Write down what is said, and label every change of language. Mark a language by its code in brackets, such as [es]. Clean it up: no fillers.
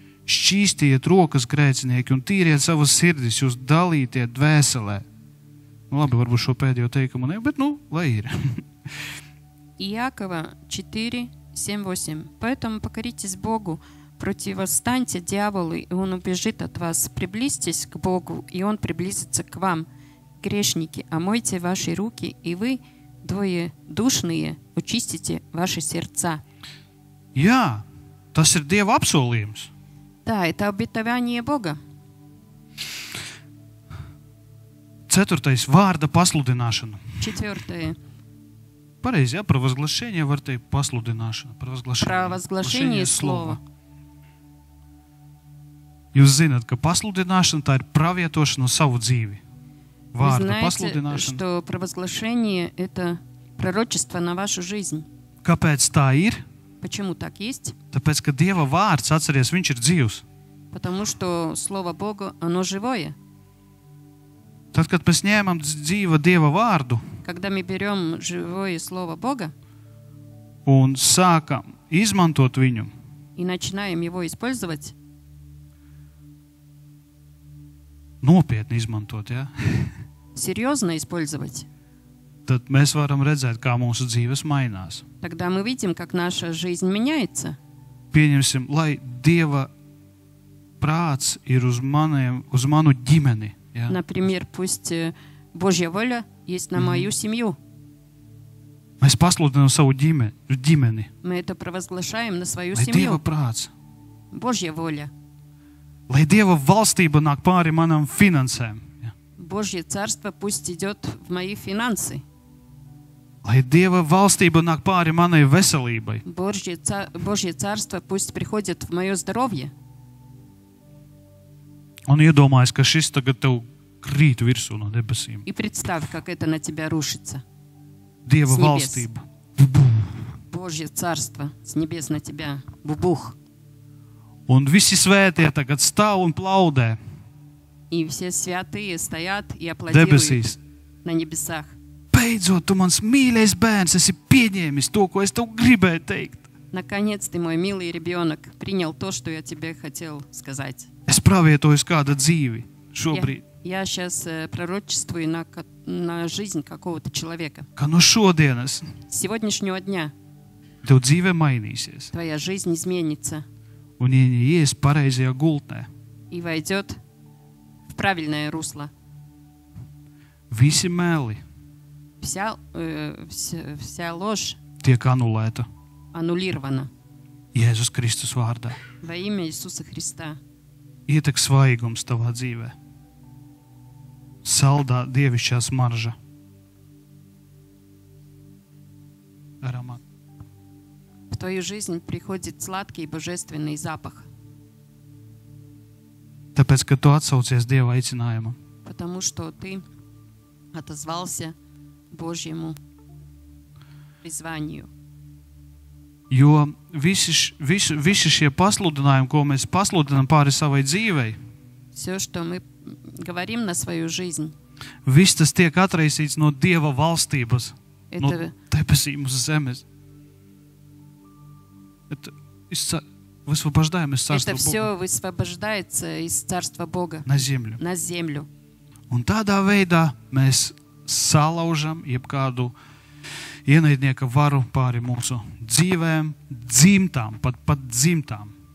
[lv] Šķīstiet rokas, grēcinieki, un tīriet savas sirdis, jūs dalītiet dvēselē. Nu, labi, varbūt šo pēdējo teikumu ne, bet nu, lai ir. Jēkaba 4:7-8. [ru] Поэтому покоритесь Богу, противостаньте дьяволу, и он убежит от вас. Приблизьтесь к Богу, и он приблизится к вам. Грешники, омойте ваши руки, и вы, двое душные, очистите ваши сердца. [lv] Jā, tas ir Dieva apsolījums. [ru] Да, это обетование Бога. [lv] Ceturtais, vārda pasludināšana. Četvirtais. Pareizi, jā, [ru] провозглашение, [lv] var teikt pasludināšana. [ru] Провозглашение слова. [lv] Jūs zināt, ka pasludināšana tā ir pravietošana uz savu dzīvi. Vārda [ru] знаете, [lv] pasludināšana. [ru] Что провозглашение – это пророчество на вашу жизнь. [lv] Kāpēc tā ir? [ru] Почему так есть? [lv] Tāpēc, ka Dieva vārds atceries, viņš ir dzīvs. [ru] Потому что слово Бога, оно живое. [lv] Tad, kad mēs ņēmam dzīva Dieva vārdu, [ru] когда мы берем живое слово Бога, [lv] un sākam izmantot viņu, [ru] и начинаем его использовать, [lv] Nopietni izmantot, ja? [ru] Серьёзно использовать. [lv] Tad mēs varam redzēt, kā mūsu dzīves mainās. [ru] Тогда мы видим, как наша жизнь меняется. [lv] Pieņemsim, lai Dieva prāts ir uz maniem, uz manu ģimeni, ja? [ru] Например, пусть Божья воля есть на мою семью. [lv] Mēs pasludinām savu ģimeni. [ru] Мы это провозглашаем на свою семью. [lv] Lai Dieva prāts. [ru] Божья воля. [lv] Lai Dieva valstība nāk pāri manam finansēm. [ru] Božie carstva pusti idot v mai finansi. [lv] Lai Dieva valstība nāk pāri manai veselībai. [ru] Božie carstva pusti prihodiet v maju zdarovje. Он [lv] iedomājas, ka šis tagad tev krīt virsū no debesīm. [ru] И представь, как это на тебя рушится. [lv] Dieva valstība. [ru] Божье царство с небес на тебя. Бубух. [lv] Un visi svētie tagad stāv un plaudē. [ru] И все святые стоят и аплодируют на небесах. [lv] Beidzot, tu mans mīļais bērns, esi pieņēmis to, ko es tev gribēju teikt. [ru] Наконец ты, мой милый ребенок, принял то, что я тебе хотел сказать. [lv] Es pravietoju uz kādu dzīvi šobrīd. [ru] Я сейчас пророчествую на жизнь какого-то человека. [lv] Ka no šodienas. [ru] Сегодняшнего дня. [lv] Tev dzīve mainīsies. [ru] Твоя жизнь изменится. [lv] Un ieies pareizajā gultnē. [ru] И войдет в правильное русло. [lv] Visi meli. [ru] Вся ложь. [lv] Tiek anulēta. [ru] Anulirvana. [lv] Jēzus Kristus vārdā. [ru] Во имя Иисуса Христа. [lv] Ietek svaigums tavā dzīvē. Saldā dievišķā smarža. Aromāt. [ru] В твою жизнь приходит сладкий и божественный запах. [lv] Tāpēc, ka tu atsaucies Dieva aicinājumu. [ru] Потому что ты отозвался Божьему призванию. [lv] Jo visi šie pasludinājumi, ko mēs pasludinām pāri savai dzīvei, [ru] все, что мы говорим на свою жизнь, [lv] viss tas tiek atraisīts no Dieva valstības, no debesīm uz zemes. [ru] Это все высвобождается из царства Бога на землю. [lv] Un tādā veidā mēs salaužam jebkādu ienaidnieka varu pāri mūsu dzīvēm, dzimtām, pat dzimtām.